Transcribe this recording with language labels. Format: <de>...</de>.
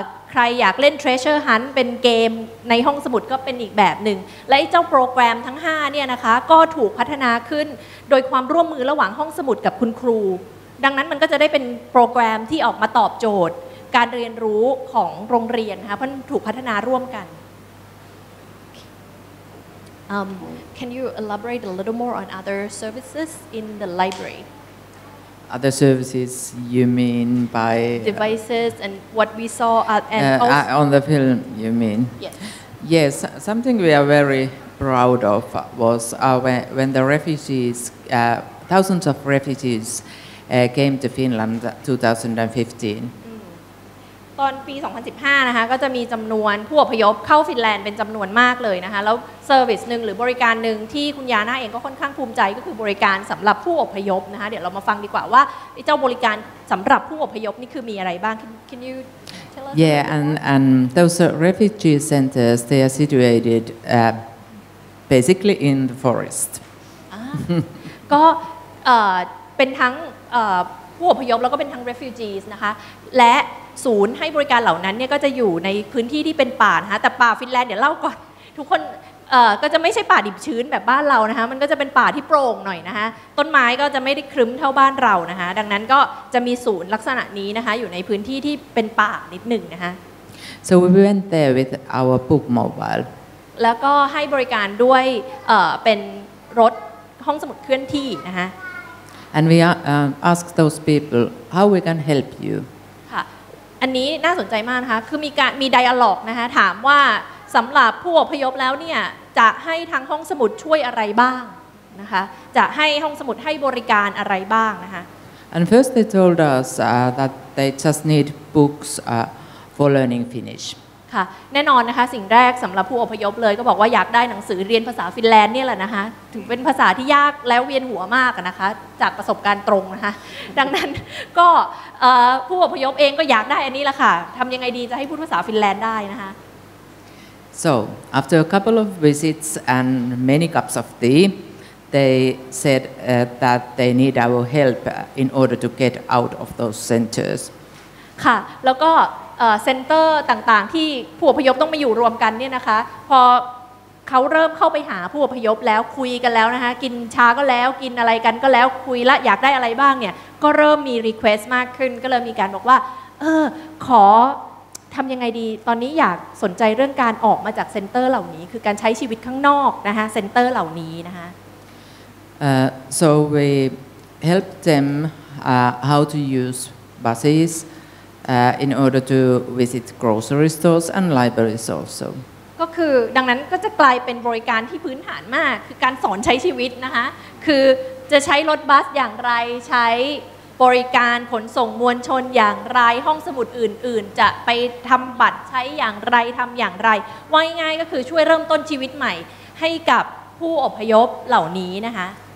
<th>ใครอยากเล่น Treasure Hunt เป็นเกมในห้องสมุดก็เป็นอีกแบบหนึ่งและไอ้เจ้าโปรแกรมทั้ง5เนี่ยนะคะก็ถูกพัฒนาขึ้นโดยความร่วมมือระหว่างห้องสมุดกับคุณครูดังนั้นมันก็จะได้เป็นโปรแกรมที่ออกมาตอบโจทย์การเรียนรู้ของโรงเรียนนะคะเพราะถูกพัฒนาร่วมกัน</th> <en>Can you elaborate a little more on other services in the library? Other services you mean by devices and what we saw on the film you mean yes something we are very proud of was when the refugees thousands of refugees came to Finland 2015</en> <th>ตอนปี2015นะคะก็จะมีจำนวนผู้อพยพเข้าฟินแลนด์เป็นจำนวนมากเลยนะคะแล้วเซอร์วิสหนึ่งหรือบริการหนึ่งที่คุณยาน่าเองก็ค่อนข้างภูมิใจก็คือบริการสำหรับผู้อพยพนะคะเดี๋ยวเรามาฟังดีกว่าว่าเจ้าบริการสำหรับผู้อพยพนี่คือมีอะไรบ้าง</th> <en>Can you tell us Yeah and those refugee centers they are situated basically in the forest</en> <th>ก็เป็นทั้งผู้อพยพแล้วก็เป็นทั้ง refugees นะคะและศูนย์ให้บริการเหล่านั้นเนี่ยก็จะอยู่ในพื้นที่ที่เป็นป่านะคะแต่ป่าฟินแลนด์เดี๋ยวเล่าก่อนทุกคนก็จะไม่ใช่ป่าดิบชื้นแบบบ้านเรานะคะมันก็จะเป็นป่าที่โปร่งหน่อยนะคะต้นไม้ก็จะไม่ได้ครึ้มเท่าบ้านเรานะคะดังนั้นก็จะมีศูนย์ลักษณะนี้นะคะอยู่ในพื้นที่ที่เป็นป่านิดหนึ่งนะคะ</th> <en>so we went there with our book mobile</en> <th>แล้วก็ให้บริการด้วยเป็นรถห้องสมุดเคลื่อนที่นะคะ</th> <en>and we asked those people how we can help you</en> <th>อันนี้น่าสนใจมากนะคะคือมีไดอะล็อกนะคะถามว่าสำหรับผู้อพยพแล้วเนี่ยจะให้ทางห้องสมุดช่วยอะไรบ้างนะคะจะให้ห้องสมุดให้บริการอะไรบ้างนะคะ</th> <en>And first they told us that they just need books for learning Finnish</en> <th>ค่ะแน่นอนนะคะสิ่งแรกสำหรับผู้อพยพเลยก็บอกว่าอยากได้หนังสือเรียนภาษาฟินแลนด์เนี่ยแหละนะคะถือเป็นภาษาที่ยากแล้วเวียนหัวมากนะคะจากประสบการณ์ตรงนะคะดังนั้นก็ผู้อพยพเองก็อยากได้อันนี้ละค่ะทำยังไงดีจะให้พูดภาษาฟินแลนด์ได้นะคะ</th> <en>So after a couple of visits and many cups of tea they said that they need our help in order to get out of those centers</en> <th>ค่ะแล้วก็เซ็นเตอร์ต่างๆที่ผู้อพยพต้องมาอยู่รวมกันเนี่ยนะคะพอเขาเริ่มเข้าไปหาผู้อพยพแล้วคุยกันแล้วนะคะกินชาก็แล้วกินอะไรกันก็แล้วคุยละอยากได้อะไรบ้างเนี่ยก็เริ่มมีรีเควสต์มากขึ้นก็เริ่มมีการบอกว่าขอทำยังไงดีตอนนี้อยากสนใจเรื่องการออกมาจากเซ็นเตอร์เหล่านี้คือการใช้ชีวิตข้างนอกนะคะเซ็นเตอร์เหล่านี้นะคะ</th> <en>so we help them how to use busesin order to visit grocery stores and libraries also</en> <th>ก็คือดังนั้นก็จะกลายเป็นบริการที่พื้นฐานมากคือการสอนใช้ชีวิตนะคะคือจะใช้รถบัสอย่างไรใช้บริการขนส่งมวลชนอย่างไรห้องสมุดอื่นๆจะไปทำบัตรใช้อย่างไรทำอย่างไรว่าง่ายๆก็คือช่วยเริ่มต้นชีวิตใหม่ให้กับผู้อพยพเหล่านี้นะคะ</th>